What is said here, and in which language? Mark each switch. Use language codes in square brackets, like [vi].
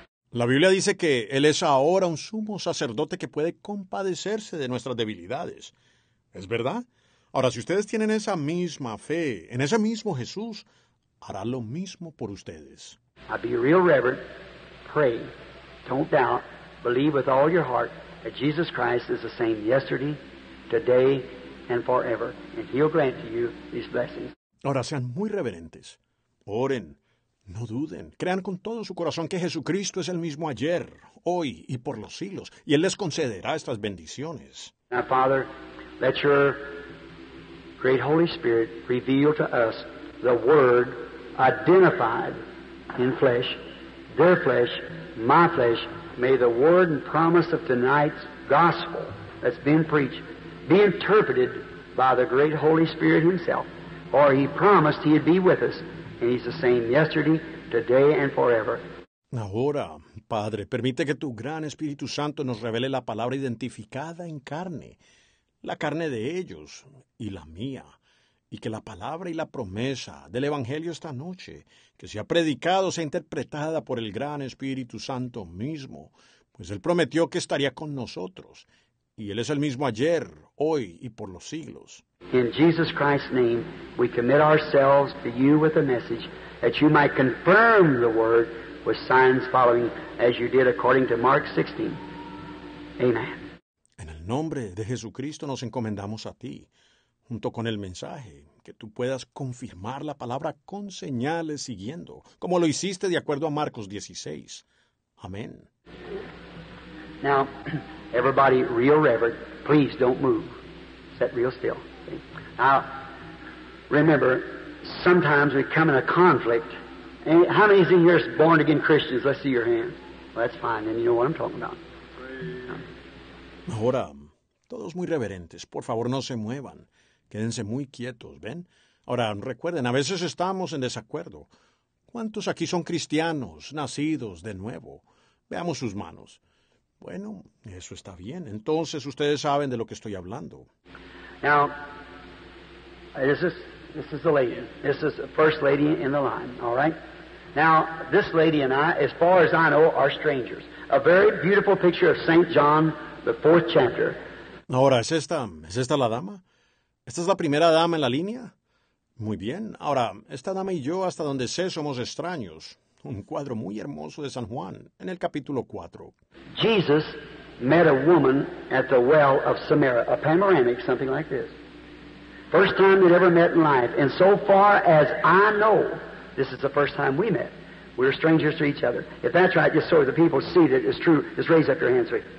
[es] La Biblia dice que él es ahora un sumo sacerdote que puede compadecerse de nuestras debilidades. ¿Es verdad? Ahora, si ustedes tienen esa misma fe en ese mismo Jesús, hará lo mismo por ustedes. [en] I'd be a real reverend. Pray. Don't doubt. Believe with all your heart that Jesus Christ is the same yesterday, today, and forever. And he'll grant to you these blessings. [es] Ahora, sean muy reverentes. Oren. No duden. Crean con todo su corazón que Jesucristo es el mismo ayer, hoy y por los siglos. Y él les concederá estas bendiciones. [en] Now, Father, let your great Holy Spirit reveal to us the Word identified in flesh, their flesh, my flesh. May the Word and promise of tonight's gospel that's been preached be interpreted by the great Holy Spirit himself. For he promised he'd be with us. And he's the same yesterday, today, and forever. [es] Ahora, Padre, permite que tu gran Espíritu Santo nos revele la palabra identificada en carne, la carne de ellos y la mía, y que la palabra y la promesa del Evangelio esta noche, que se ha predicado, sea interpretada por el gran Espíritu Santo mismo, pues Él prometió que estaría con nosotros, y Él es el mismo ayer, hoy y por los siglos. [en] In Jesus Christ's name, we commit ourselves to you with a message that you might confirm the word with signs following as you did according to Mark 16. Amen. [es] En el nombre de Jesucristo nos encomendamos a ti, junto con el mensaje, que tú puedas confirmar la palabra con señales siguiendo, como lo hiciste de acuerdo a Marcos 16. Amén. [en] Now, everybody real reverent, please don't move. Sit real still. Now, remember, sometimes we come in a conflict. How many in here are born-again Christians? Let's see your hands. Well, that's fine, then you know what I'm talking about. [es] Ahora, todos muy reverentes, por favor, no se muevan. Quédense muy quietos, ¿ven? Ahora, recuerden, a veces estamos en desacuerdo. ¿Cuántos aquí son cristianos, nacidos de nuevo? Veamos sus manos. Bueno, eso está bien. Entonces, ustedes saben de lo que estoy hablando. [en] Now, this is the lady. This is the first lady in the line, all right? Now, this lady and I, as far as I know, are strangers. A very beautiful picture of St. John, the fourth chapter. [es] Ahora, ¿es esta la dama? ¿Esta es la primera dama en la línea? Muy bien. Ahora, esta dama y yo, hasta donde sé, somos extraños. Un cuadro muy hermoso de San Juan, en el capítulo 4. [en] Jesus met a woman at the well of Samaria, a panoramic, something like this. First time they'd ever met in life. And so far as I know, this is the first time we met. We're strangers to each other. If that's right, just so the people see that it's true, just raise up your hands.